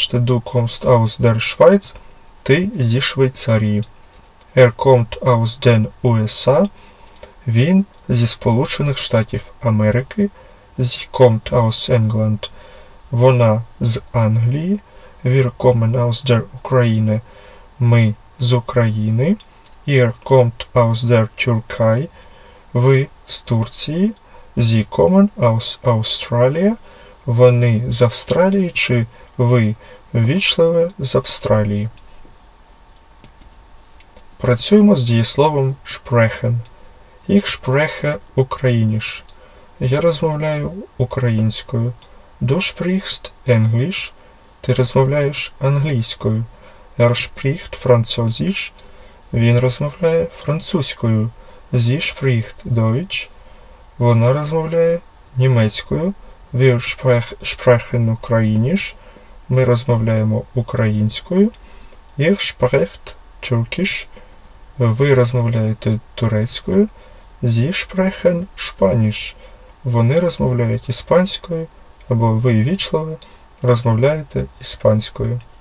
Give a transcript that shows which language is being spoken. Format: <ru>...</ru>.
<de>Du kommst aus der Schweiz.</de> <uk>Ти зі Швейцарії.</uk> <de>Kommt aus den USA.</de> <uk>Він зі Сполучених Штатів Америки.</uk> <de>Sie kommt aus England.</de> <uk>Вона з Англії.</uk> <de>Wir kommen aus der Ukraine.</de> <uk>Ми з України.</uk> <de>Ihr kommt aus der Türkei.</de> <uk>Ви з Турції.</uk> <de>Sie kommen aus Australia.</de> <uk>Вони з Австралії чи ви ввічливе з Австралії. Працюємо з дієсловом sprechen.</uk> <de>Ich spreche Ukrainisch.</de> <uk>Я розмовляю українською.</uk> <de>Du sprichst Englisch.</de> <uk>Ти розмовляєш англійською.</uk> <de>Spricht Französisch.</de> <uk>Він розмовляє французькою.</uk> <de>Sie spricht Deutsch.</de> <uk>Вона розмовляє німецькою.</uk> <de>Wir sprechen Ukrainisch.</de> <uk>Ми розмовляємо українською.</uk> <de>Ich spreche Türkisch.</de> <uk>Ви розмовляєте турецькою.</uk> <de>Sie sprechen Spanisch.</de> <uk>Вони розмовляють іспанською. Або ви ввічливе розмовляєте іспанською.</uk>